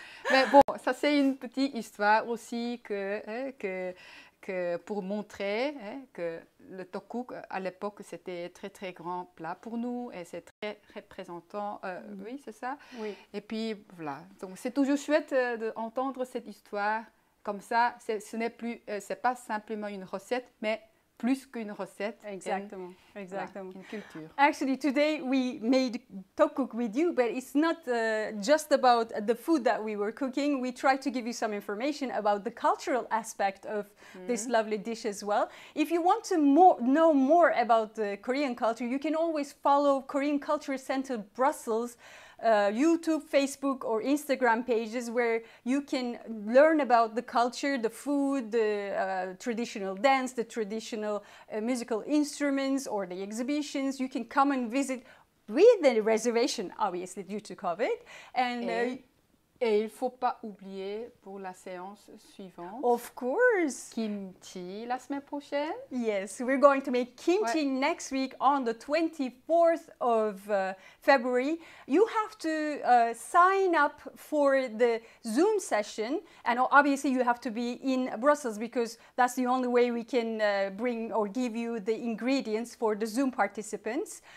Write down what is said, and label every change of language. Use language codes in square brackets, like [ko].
[fr] Mais bon, ça c'est une petite histoire aussi que pour montrer que le tokuk à l'époque c'était très très grand plat pour nous et c'est très représentant, oui c'est ça. Oui. Et puis voilà, donc c'est toujours chouette d'entendre cette histoire comme ça, c'est pas simplement une recette mais plus qu'une recette. Exactement. Exactement. Voilà, une culture. [en] Actually, today we made tokuk with you, but it's not just about the food that we were cooking. We tried to give you some information about the cultural aspect of this lovely dish as well. If you want to know more about the Korean culture, you can always follow Korean Culture Center Brussels YouTube, Facebook, or Instagram pages where you can learn about the culture, the food, the traditional dance, the traditional musical instruments, or the exhibitions. You can come and visit with a reservation, obviously, due to COVID. [fr] Et il ne faut pas oublier pour la séance suivante. [en] Of course. [fr] Kimchi la semaine prochaine. [en] Yes, we're going to make kimchi next week on the 24th of February. You have to sign up for the Zoom session. And obviously you have to be in Brussels because that's the only way we can bring or give you the ingredients for the Zoom participants.